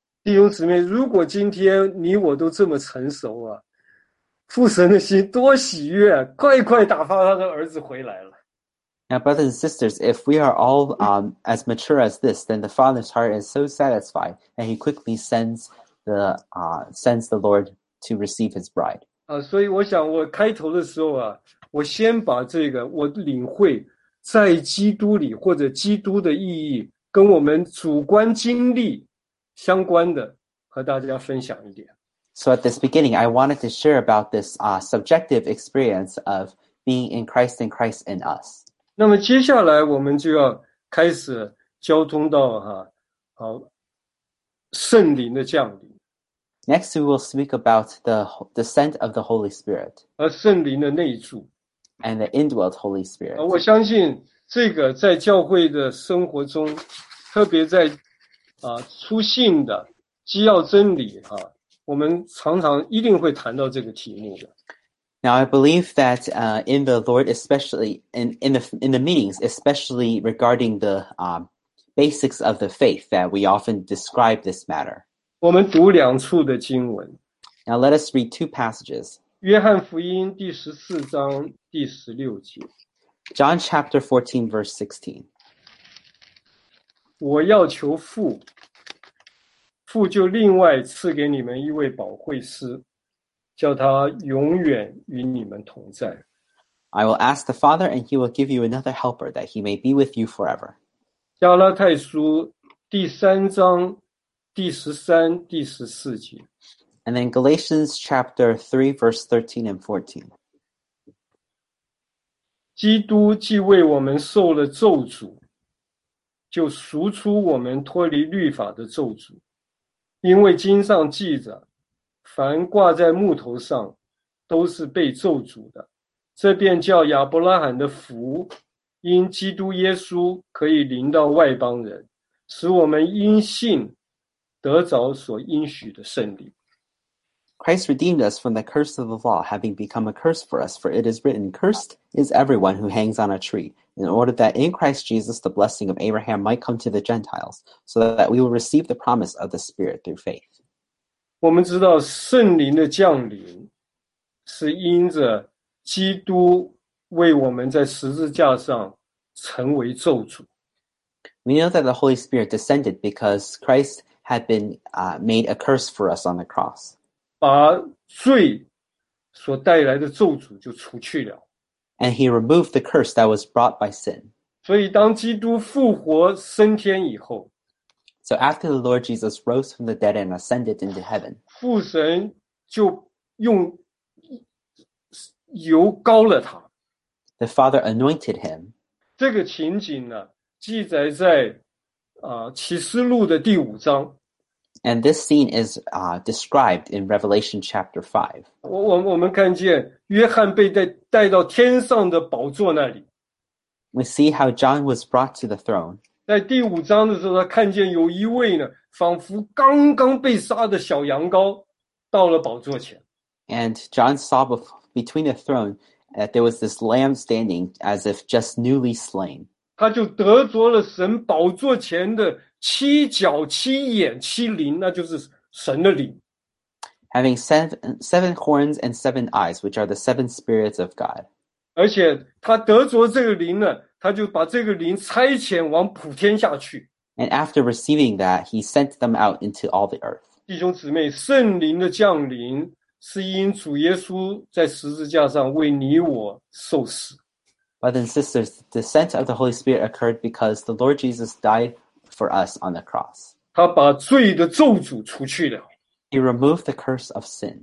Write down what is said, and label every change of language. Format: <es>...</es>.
<zh>弟兄姊妹，如果今天你我都这么成熟啊，父神的心多喜悦，快快打发他的儿子回来了。</zh> <en>Now, brothers and sisters, if we are all as mature as this, then the Father's heart is so satisfied, and He quickly sends the Lord to receive His bride.</en> <zh>所以我想，我开头的时候啊，我先把这个我领会在基督里或者基督的意义跟我们主观经历。相关的和大家分享一点。</zh> <en>So at this beginning, I wanted to share about this subjective experience of being in Christ and Christ in us.</en> <zh>那么接下来我们就要开始交通到圣灵的降临。</zh> <en>Next, we will speak about the descent of the Holy Spirit.</en> <zh>而圣灵的内住。</zh> <en>And the indwelt Holy Spirit.</en> <zh>我相信这个在教会的生活中，特别在出信的基要真理我们常常一定会谈到这个题目的。</zh> <en>Now I believe that in the Lord, especially in the meetings, especially regarding the basics of the faith, that we often describe this matter.</en> <zh>我们读两处的经文。</zh> <en>Now let us read two passages.</en> <zh>约翰福音第十四章第十六节。</zh> <en>John chapter 14 verse 16.</en> <zh>我要求父，父就另外赐给你们一位保惠师，叫他永远与你们同在。</zh> <en>I will ask the Father, and he will give you another helper, that he may be with you forever.</en> <zh>加拉太书第三章第十三、第十四节。</zh> <en>And then Galatians chapter 3, verse 13 and 14.</en> <zh>基督既为我们受了咒诅，就赎出我们脱离律法的咒诅，因为经上记着，凡挂在木头上，都是被咒诅的。这便叫亚伯拉罕的福，因基督耶稣可以临到外邦人，使我们因信得着所应许的圣灵。</zh> <en>Christ redeemed us from the curse of the law, having become a curse for us, for it is written, Cursed is everyone who hangs on a tree, in order that in Christ Jesus the blessing of Abraham might come to the Gentiles, so that we will receive the promise of the Spirit through faith.</en> <zh>我们知道圣灵的降临是因着基督为我们在十字架上成为咒诅。</zh> <en>We know that the Holy Spirit descended because Christ had been made a curse for us on the cross.</en> <zh>把罪所带来的咒诅就除去了。</zh> <en>And he removed the curse that was brought by sin.</en> <zh>所以当基督复活升天以后，</zh> <en>So after the Lord Jesus rose from the dead and ascended into heaven,</en> <zh>父神就用油膏了他。</zh> <en>The Father anointed him.</en> <zh>这个情景呢，记载在启示录的第五章。</zh> <en>And this scene is described in Revelation chapter 5.</en> <zh>我们看见约翰被带到天上的宝座那里。</zh> <en>We see how John was brought to the throne.</en> <zh>在第五章的时候，他看见有一位呢，仿佛刚刚被杀的小羊羔到了宝座前。</zh> <en>And John saw between the throne that there was this lamb standing as if just newly slain.</en> <zh>他就得着了神宝座前的七角七眼七灵，那就是神的灵。</zh> <en>Having seven horns and seven eyes, which are the seven spirits of God.</en> <zh>而且他得着这个灵呢，他就把这个灵差遣往普天下去。</zh> <en>And after receiving that, he sent them out into all the earth.</en> <zh>弟兄姊妹，圣灵的降临是因主耶稣在十字架上为你我受死。</zh> <en>Brothers and sisters, the descent of the Holy Spirit occurred because the Lord Jesus died for us on the cross.</en> <zh>他把罪的咒诅除去了。</zh> <en>He removed the curse of sin.</en>